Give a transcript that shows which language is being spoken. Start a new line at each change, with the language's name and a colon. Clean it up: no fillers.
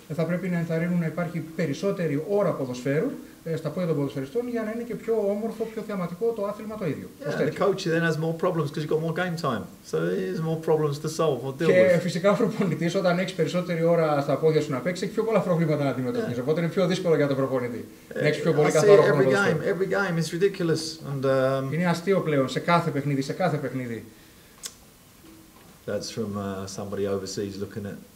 Greek: Θα πρέπει να ενθαρρύνουν να υπάρχει περισσότερη ώρα ποδοσφαίρου στα πόδια των ποδοσφαιριστών για να είναι και πιο όμορφο, πιο θεαματικό το άθλημα το ίδιο.
English: Yeah, the coach then has more problems because you've got more game time. So there's more problems to solve or deal with.
Greek: Και φυσικά ο προπονητής όταν έχει περισσότερη ώρα στα πόδια σου να παίξει έχει πιο πολλά προβλήματα να αντιμετωπίσει. Yeah. Οπότε είναι πιο δύσκολο για τον προπονητή. Να έχει πιο πολύ καθαρό χρόνο.
English: Every game is ridiculous. And,
Greek: είναι αστείο πλέον σε κάθε παιχνίδι, σε κάθε παιχνίδι.
English: That's from somebody overseas looking at.